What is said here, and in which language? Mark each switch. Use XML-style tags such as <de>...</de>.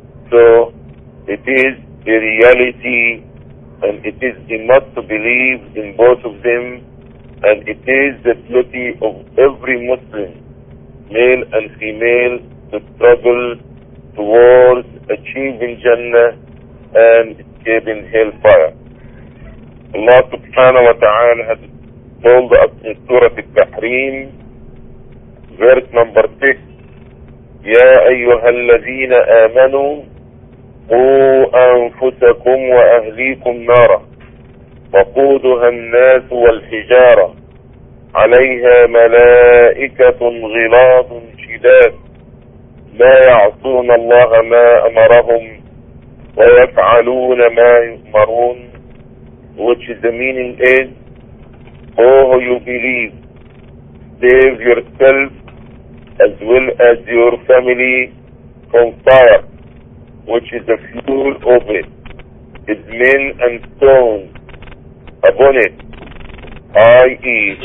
<en>So it is a reality, and it is a must to believe in both of them, and it is the duty of every Muslim, male and female, to struggle towards achieving Jannah and escaping hellfire. Allah subhanahu wa ta'ala has told us in Surah Al-Tahrim, verse number 6,</en> <ar>يَا أَيُّهَا الَّذِينَ آمَنُوا قُوا أَنفُسَكُمْ وَأَهْلِيكُمْ نَارًا وَقُودُهَا النَّاسُ وَالْحِجَارَةُ عَلَيْهَا مَلَائِكَةٌ غِلَاظٌ شِدَادٌ لَا يَعْصُونَ اللَّهَ مَا أَمَرَهُمْ وَيَفْعَلُونَ مَا يُؤْمَرُونَ.</ar> <en>Which is the meaning is, O who you believe, save yourself as well as your family from fire, which is the fuel of it, is men and stones upon it, i.e.</en>